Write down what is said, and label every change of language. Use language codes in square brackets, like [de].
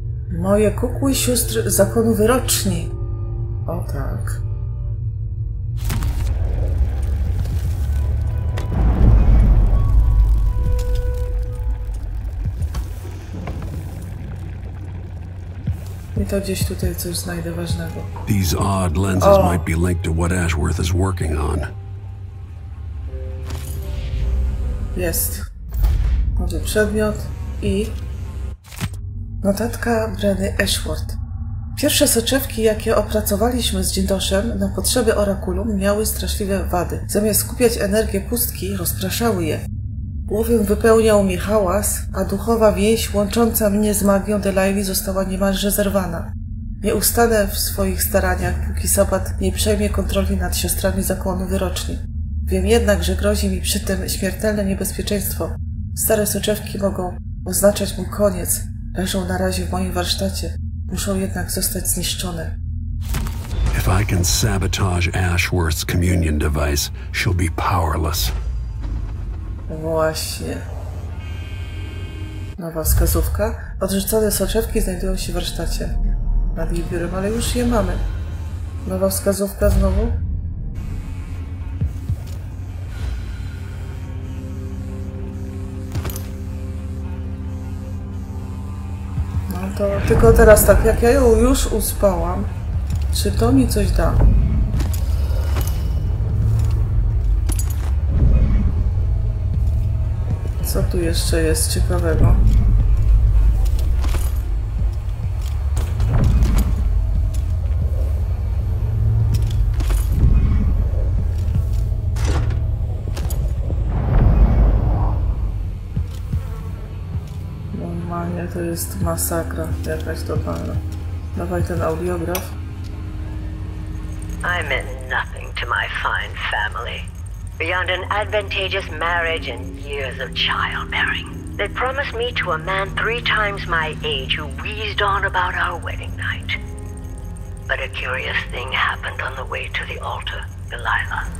[pl] moje kukły siostry zakonu wyroczni. O tak. I to gdzieś tutaj coś znajdę ważnego. [en] These odd lenses might be linked to what Ashworth is working on. [pl] Jest. Nowy przedmiot i... Notatka Brenny Ashworth. Pierwsze soczewki, jakie opracowaliśmy z Dzindoszem na potrzeby orakulum, miały straszliwe wady. Zamiast skupiać energię pustki, rozpraszały je. Głowiem wypełniał mi hałas, a duchowa więź łącząca mnie z magią Delaili została niemalże zerwana. Nie ustanę w swoich staraniach, póki Sabbat nie przejmie kontroli nad siostrami zakonu wyroczni. Wiem jednak, że grozi mi przy tym śmiertelne niebezpieczeństwo. Stare soczewki mogą oznaczać mój koniec. Leżą na razie w moim warsztacie. Muszą jednak zostać zniszczone. [en] If I can sabotage Ashworth's communion device, she'll be powerless. [pl] Właśnie. Nowa wskazówka. Odrzucone soczewki znajdują się w warsztacie. Nad jej biurem, ale już je mamy. Nowa wskazówka znowu. No to tylko teraz tak, jak ja ją już uspałam, czy to mi coś da? Co tu jeszcze jest ciekawego? Normalnie to jest masakra jakaś totalna. Dawaj ten audiograf. [en] I meant nothing to my fine family. Beyond an advantageous marriage and years of childbearing. They promised me to a man three times my age who wheezed on about our wedding night. But a curious thing happened on the way to the altar, Delilah.